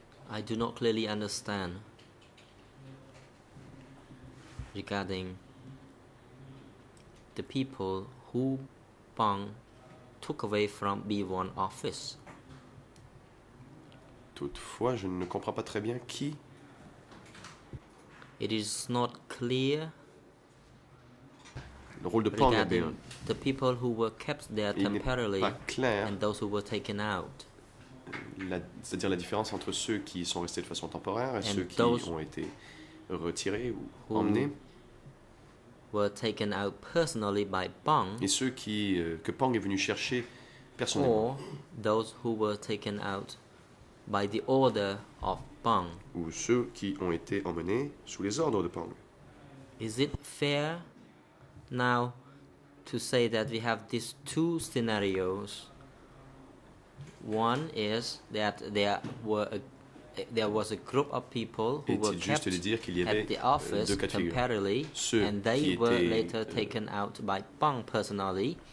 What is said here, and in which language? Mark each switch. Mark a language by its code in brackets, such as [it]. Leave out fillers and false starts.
[en] I do not clearly understand regarding the people who Pong took away from B1 office. [fr] Toutefois, je ne comprends pas très bien qui. [en] It is not clear. [fr] Le rôle de Pong est bien. [en] The people who were kept there temporarily and those who were taken out. [fr] C'est-à-dire la différence entre ceux qui sont restés de façon temporaire et ceux qui ont été retirés ou emmenés. [en] Were taken out personally by Pong. [fr] Et ceux qui que Pong est venu chercher personnellement. [en] Or those who were taken out by the order of Pong. [fr] Ou ceux qui ont été emmenés sous les ordres de Pong. [en] Is it fair now to say that we have these two scenarios? One is that there was a group of people who were kept [fr] de dire qu'il y avait [en] at the office temporarily, and they were later taken out by Pong personally.